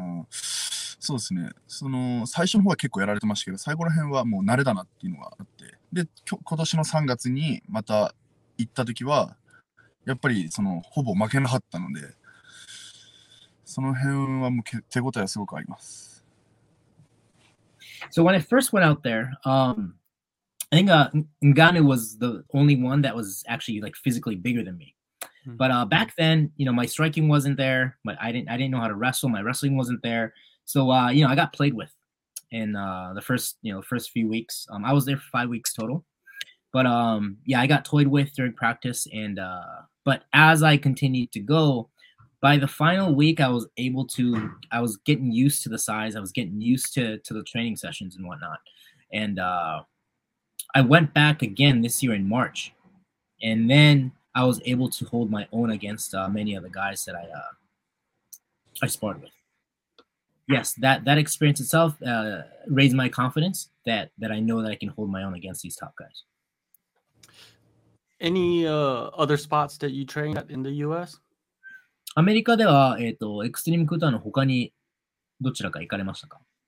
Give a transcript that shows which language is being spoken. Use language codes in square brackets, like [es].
[ja] そうですね、その最初の方は結構やられてましたけど、最後ら辺はもう慣れだなっていうのがあって、で今年の3月にまた行った時はやっぱりそのほぼ負けなかったので、その辺はもう手応えはすごくあります。 [en] So when I first went out there、I think、Ngannou was the only one that was actually like physically bigger than me、but、back then you know my striking wasn't there, but I didn't know how to wrestle, my wrestling wasn't thereSo, you know, I got played with in the first, you know, first few weeks. I was there for 5 weeks total. But, yeah, I got toyed with during practice. And, but as I continued to go, by the final week, I was getting used to the size. I was getting used to the training sessions and whatnot. And I went back again this year in March. And then I was able to hold my own against many of the guys that I sparred with. Yes, that experience itself raised my confidence that I know that I can hold my own against these top guys. Any other spots that you train at in the U.S.? [ja] アメリカでは、エクストリームクーターの他にどちらか行かれましたか？